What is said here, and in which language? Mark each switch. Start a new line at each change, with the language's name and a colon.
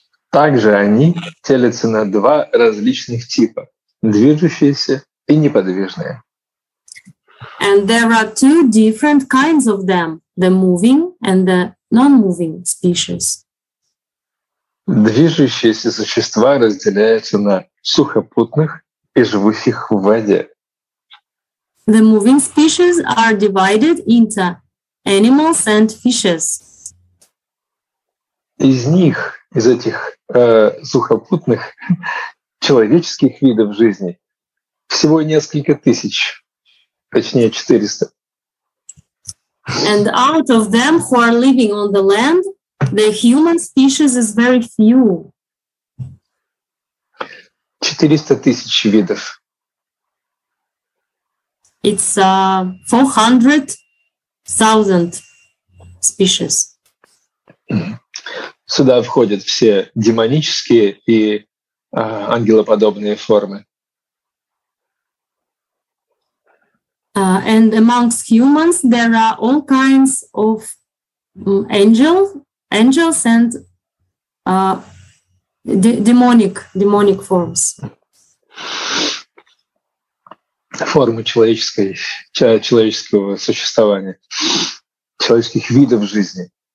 Russian: Также они делятся на два различных типа: движущиеся и неподвижные.
English: And there are two different kinds of them: the moving and the non-moving species.
Russian: Движущиеся существа разделяются на сухопутных и живущих в воде.
English: The moving species are divided into animals and fishes.
Russian: Из них, из этих сухопутных человеческих видов жизни, всего несколько тысяч, точнее 400.
English: And out of them who are living on the land, the human species is very few.
Russian: 400 тысяч видов.
English: It's 400,000 species.
Russian: Сюда входят все демонические и ангелоподобные формы.
English: And amongst humans there are all kinds of angels and demonic forms.
Russian: Формы человеческого существования, человеческих видов жизни.